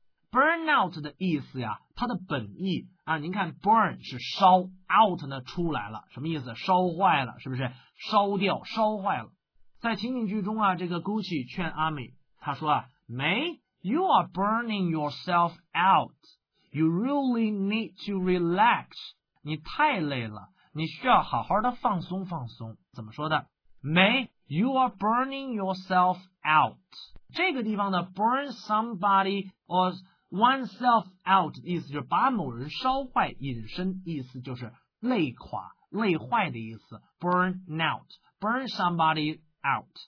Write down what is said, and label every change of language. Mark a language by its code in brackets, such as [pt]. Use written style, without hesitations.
[zh] Burnout 的意思呀它的本意啊您看 burn 是烧 out 呢出来了什么意思烧坏了是不是烧掉烧坏了。在情景剧中啊这个 Gucci 劝阿美他说啊 [en] May, you are burning yourself out. You really need to relax. [zh] 你太累了。你需要好好的放松放松怎么说的 [en] May you are burning yourself out [zh] 这个地方的 [en] burn somebody or oneself out [zh] 意思就是把某人烧坏引申意思就是累垮累坏的意思 [en] burn out burn somebody out